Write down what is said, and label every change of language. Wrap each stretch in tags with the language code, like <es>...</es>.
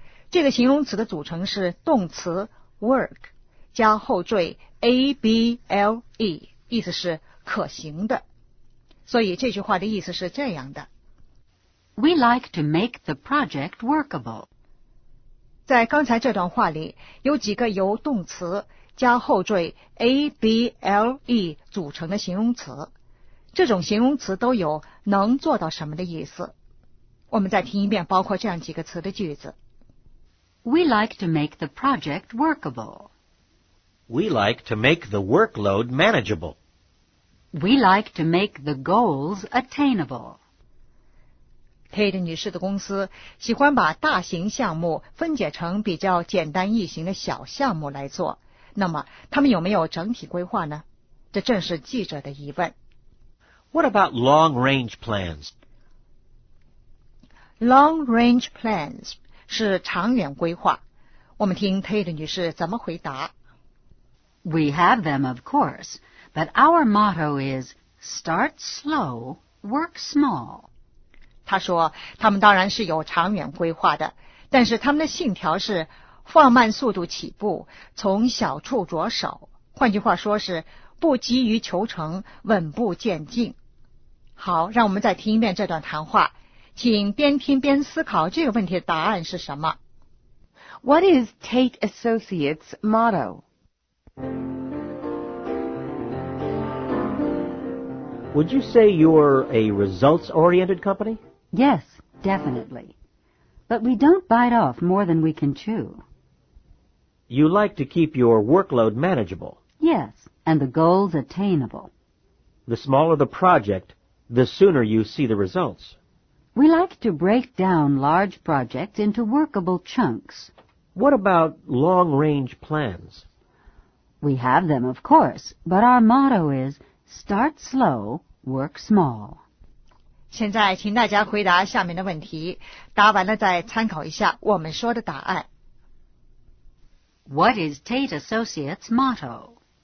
<zh>这个形容词的组成是动词 work, 加后缀 able, 意思是可行的。所以这句话的意思是这样的。</zh> <en>We like to make the project workable.</en> <zh>在刚才这段话里有几个由动词加后缀 able 组成的形容词。这种形容词都有能做到什么的意思。我们再听一遍包括这样几个词的句子。</zh> <en>We like to make the project workable. We like to make the workload manageable. We like to make the goals attainable.</en> <zh>Tate 女士的公司喜欢把大型项目分解成比较简单易行的小项目来做。那么，他们有没有整体规划呢？这正是记者的疑问。</zh> <en>What about long-range plans? Long-range plans</en> <zh>是长远规划。我们听 Tate 女士怎么回答。</zh> <en>We have them, of course, but our motto is start slow, work small.</en> <zh>她说他们当然是有长远规划的，但是他们的信条是放慢速度起步，从小处着手。换句话说是不急于求成，稳步渐进。好，让我们再听一遍这段谈话，请边听边思考这个问题的答案是什么。</zh> <en>What is Tate Associates' motto? Would you say you're a results-oriented company? Yes, definitely. But we don't bite off more than we can chew. You like to keep your workload manageable. Yes, and the goals attainable. The smaller the project,the sooner you see the results. We like to break down large projects into workable chunks. What about long-range plans? We have them, of course, but our motto is start slow, work small.</en> <zh>现在请大家回答下面的问题，答完了再参考一下我们说的答案。</zh> <en>What is Tate Associates' motto?</en>